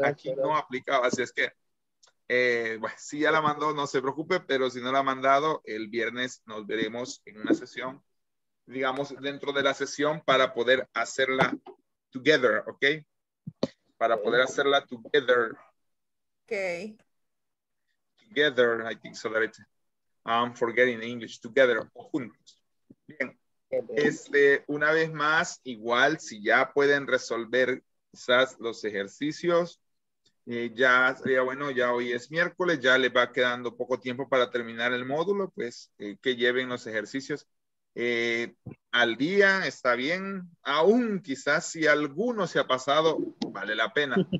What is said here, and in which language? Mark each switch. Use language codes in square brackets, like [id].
[es] Aquí no aplicaba, así es que. Bueno, si ya la mandó, no se preocupe, pero si no la ha mandado, el viernes nos veremos en una sesión, digamos, dentro de la sesión para poder hacerla together, ¿ok? Para poder hacerla together. Ok. [en] Together, I think so that I'm forgetting English, together, juntos. [es] Bien, una vez más, igual, si ya pueden resolver quizás los ejercicios, ya sería bueno, ya hoy es miércoles, ya les va quedando poco tiempo para terminar el módulo, pues que lleven los ejercicios al día, está bien, aún quizás si alguno se ha pasado, vale la pena.